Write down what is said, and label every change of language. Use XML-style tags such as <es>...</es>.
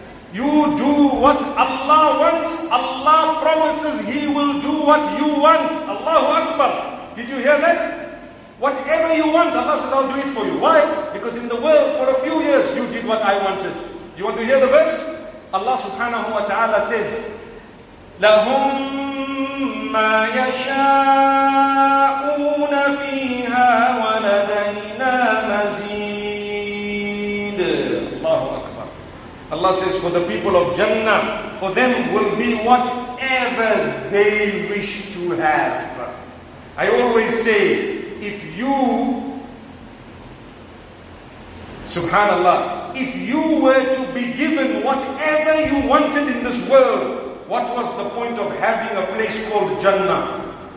<en>You do what Allah wants, Allah promises He will do what you want. Allahu Akbar. Did you hear that? Whatever you want, Allah says, I'll do it for you. Why? Because in the world for a few years you did what I wanted. Do you want to hear the verse? Allah subhanahu wa ta'ala says,</en> <ar>لَهُمْ ما يشاءون فيها ولدينا مزيد. الله أكبر.</ar> <en>Allah says, for the people of Jannah, for them will be whatever they wish to have. I always say, if you, subhanallah, if you were to be given whatever you wanted in this world, what was the point of having a place called Jannah?</en>